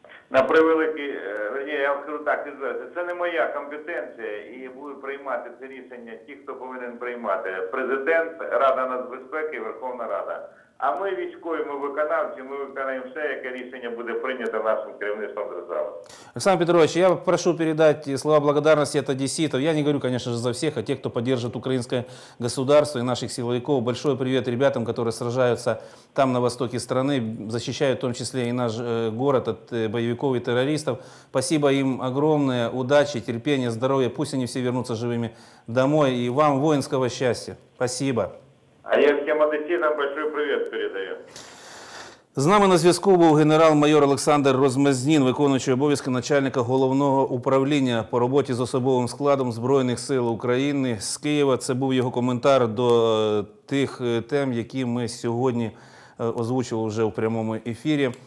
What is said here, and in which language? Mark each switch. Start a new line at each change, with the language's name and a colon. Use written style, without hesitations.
Ukrainian: На превеликий, я вам скажу так, це не моя компетенція, і буду приймати це рішення ті, хто повинен приймати. Президент, Рада нацбезпеки, Верховна Рада. А ми військові, ми виконавці, ми виконаємо все, яке рішення буде прийнято нашим керівництвом держави.
Russian: Олександр Петрович,
Ukrainian: я прошу передати слова
Russian: благодарности от одесситов. Я не говорю, конечно же, за всех, а тех, кто поддержит украинское государство и наших силовиков. Большой привет ребятам, которые сражаются там, на востоке страны, защищают в том числе и наш город от боевиков и террористов. Спасибо им огромное. Удачи, терпения, здоровья. Пусть они все вернутся живыми домой. И вам воинского счастья. Спасибо. А я всем одесситам большой привет передаю.
Ukrainian: З нами на зв'язку був генерал-майор Олександр Розмазнін, виконуючий обов'язки начальника головного управління по роботі з особовим складом Збройних сил України з Києва. Це був його коментар до тих тем, які ми сьогодні озвучили вже у прямому ефірі.